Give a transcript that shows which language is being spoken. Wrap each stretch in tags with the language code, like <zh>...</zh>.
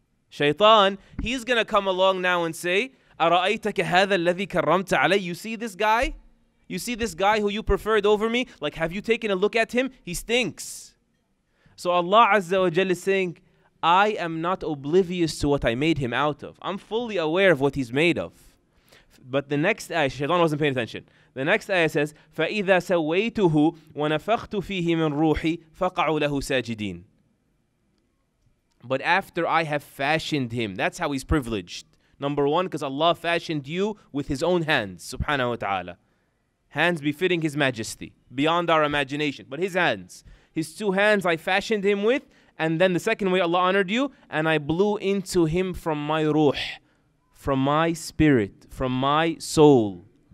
<en>Shaytan, he's going to come along now and say,</en> <ar>أَرَأَيْتَكَ هَذَا الَّذِي كَرَّمْتَ عَلَيْهِ.</ar> <en>You see this guy? You see this guy who you preferred over me? Like, have you taken a look at him? He stinks. So Allah Azza wa Jal is saying, I am not oblivious to what I made him out of. I'm fully aware of what he's made of. But the next ayah, Shaitan wasn't paying attention. The next ayah says,</en> <ar>فَإِذَا سَوَّيْتُهُ وَنَفَخْتُ فِيهِ مِنْ رُوحِي فَقَعُوا لَهُ سَاجِدِينَ.</ar> <en>But after I have fashioned him, that's how he's privileged. Number one, because Allah fashioned you with his own hands, subhanahu wa ta'ala. Hands befitting his majesty, beyond our imagination. But his hands, his two hands I fashioned him with, and then the second way Allah honored you, and I blew into him from my ruh, from my spirit, from my soul.</en>